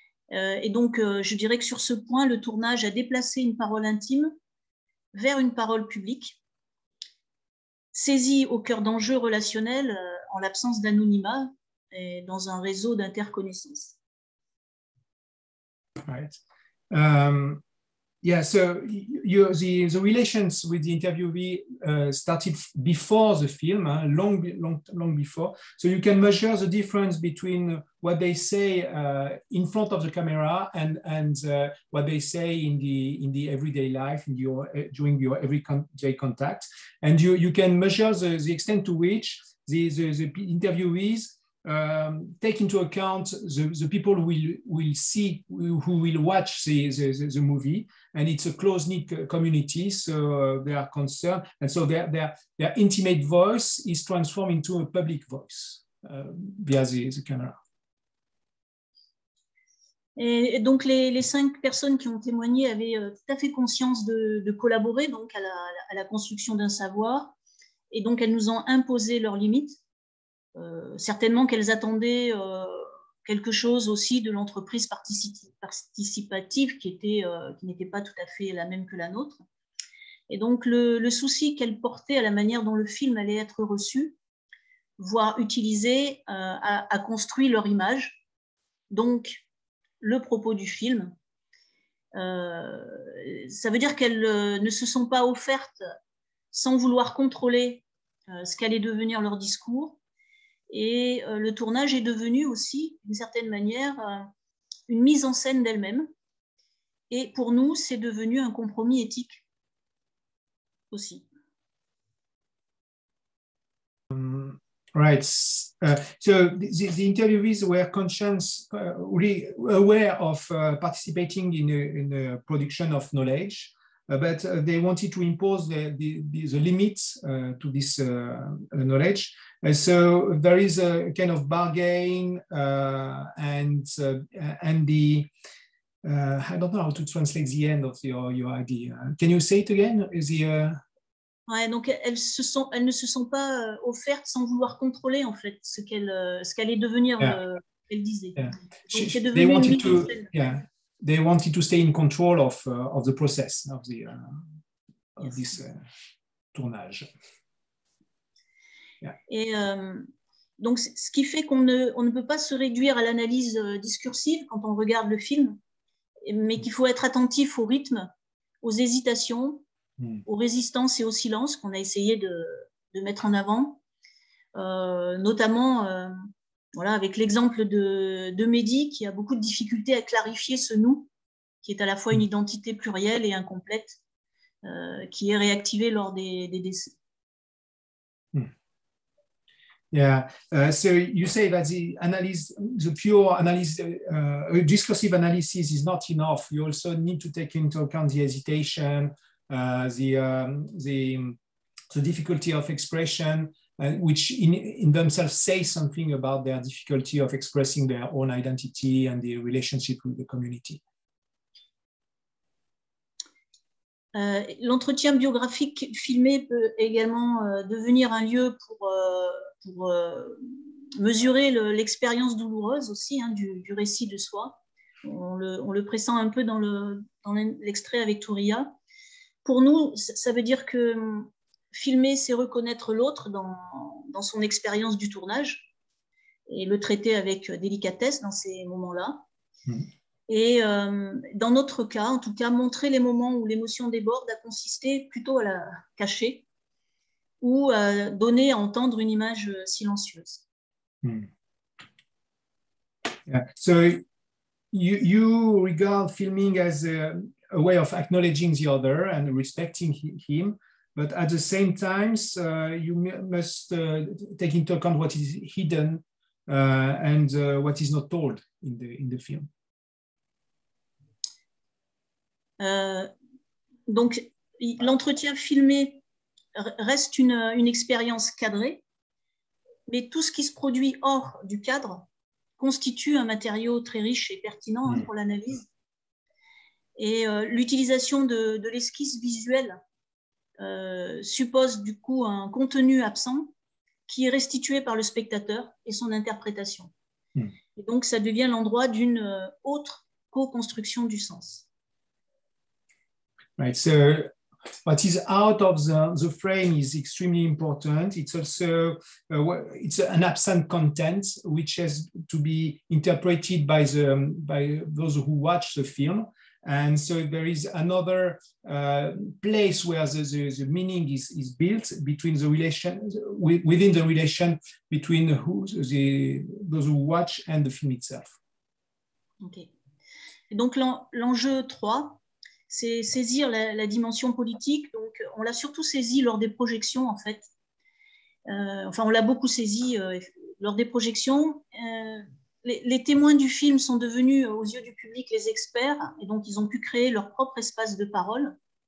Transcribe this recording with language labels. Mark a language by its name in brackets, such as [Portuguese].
[French] Et donc, je dirais que sur ce point, le tournage a déplacé une parole intime vers une parole publique, saisie au cœur d'enjeux relationnels en l'absence d'anonymat et dans un réseau d'interconnaissances. [English] Right. Yeah. So the relations with the interviewee started before the film, long before. So you can measure the difference between what they say in front of the camera and what they say in the everyday life during your everyday contact. And you can measure the extent to which the interviewees take into account the people who will see, who will watch the movie, and it's a close-knit community, so they are concerned, and so their intimate voice is transformed into a public voice via the camera. [French] Et donc les cinq personnes qui ont témoigné avaient tout à fait conscience de collaborer donc à la construction d'un savoir, et donc elles nous ont imposé leurs limites. Certainement qu'elles attendaient quelque chose aussi de l'entreprise participative qui n'était pas tout à fait la même que la nôtre. Et donc le souci qu'elles portaient à la manière dont le film allait être reçu, voire utilisé, a construit leur image, donc le propos du film. Ça veut dire qu'elles ne se sont pas offertes sans vouloir contrôler ce qu'allait devenir leur discours. Et le tournage est devenu aussi, d'une certaine manière, une mise en scène d'elle-même. Et pour nous, c'est devenu un compromis éthique aussi. [English] Right. So the interviewees were conscious, really aware of participating in a production of knowledge, but they wanted to impose the limits to this knowledge. So there is a kind of bargain and the I don't know how to translate the end of your idea. Can you say it again? [French] Donc elles ne se sont pas offertes sans vouloir contrôler en fait ce qu'elle est devenir. [English] Yeah. [French] Elle disait. [English] Yeah. Donc, they wanted to. Yeah. They wanted to stay in control of the process of the of this tournage. Yeah. [French] Et donc, ce qui fait qu'on ne peut pas se réduire à l'analyse discursive quand on regarde le film, mais qu'il faut être attentif au rythme, aux hésitations, aux résistances et aux silences qu'on a essayé de mettre en avant, notamment avec l'exemple de Mehdi qui a beaucoup de difficultés à clarifier ce « nous » qui est à la fois une identité plurielle et incomplète qui est réactivée lors des décès. [English] Yeah. So you say that discursive analysis is not enough. You also need to take into account the hesitation, the difficulty of expression, which in themselves say something about their difficulty of expressing their own identity and the relationship with the community. [French] L'entretien biographique filmé peut également devenir un lieu pour mesurer l'expérience douloureuse aussi, hein, du récit de soi. On le pressent un peu dans l'extrait avec Touria. Pour nous, ça veut dire que filmer, c'est reconnaître l'autre dans son expérience du tournage et le traiter avec délicatesse dans ces moments-là. Mmh. Et dans notre cas, en tout cas, montrer les moments où l'émotion déborde a consisté plutôt à la cacher ou à donner à entendre une image silencieuse. [English] Mmh. Yeah. So you regard filming as a way of acknowledging the other and respecting him. But at the same time, you must take into account what is hidden and what is not told in the film. [French] Donc, l'entretien filmé reste une expérience cadrée, mais tout ce qui se produit hors du cadre constitue un matériau très riche et pertinent pour l'analyse. Et l'utilisation de l'esquisse visuelle suppose du coup un contenu absent qui est restitué par le spectateur et son interprétation. Mmh. Et donc, ça devient l'endroit d'une autre co-construction du sens. [English] Right, so what is out of the frame is extremely important. It's also it's an absent content which has to be interpreted by the by those who watch the film. And so there is another place where the meaning is built between the relation within the relation between those who watch and the film itself. Okay. [French] Et donc l'enjeu 3, c'est saisir la dimension politique. Donc on l'a surtout saisi lors des projections, en fait. Enfin, on l'a beaucoup saisi lors des projections. Les témoins du film sont devenus, aux yeux du public, les experts, et donc ils ont pu créer leur propre espace de parole.